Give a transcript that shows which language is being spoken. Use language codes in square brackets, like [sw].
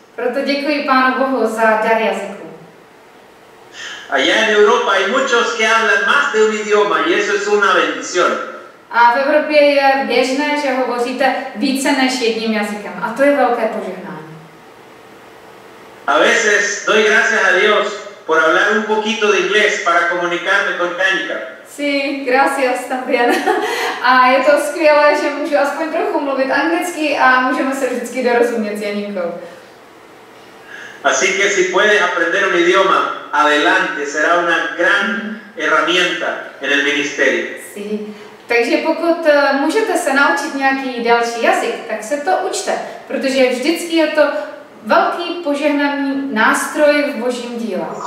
[cs] Proto děkuji Pánu Bohu za dar jazyku. [es] Allá en Europa hay muchos que hablan más de un idioma y eso es una bendición. [cs] A v Evropě je běžné, že hovoříte více než jedním jazykem, a to je velké požehnání. [es] A veces doy gracias a Dios por hablar un poquito de inglés para comunicarme con Tánica. Sí, gracias también. [cs] A je to skvělé, že můžu aspoň trochu mluvit anglicky a můžeme se vždycky dorozumět s Janinkou. [es] Así que si puedes aprender un idioma, adelante, será una gran herramienta en el ministerio. Sí. [cs] Takže pokud můžete se naučit nějaký další jazyk, tak se to učte, protože vždycky je to velký požehnaný nástroj v Božím díle.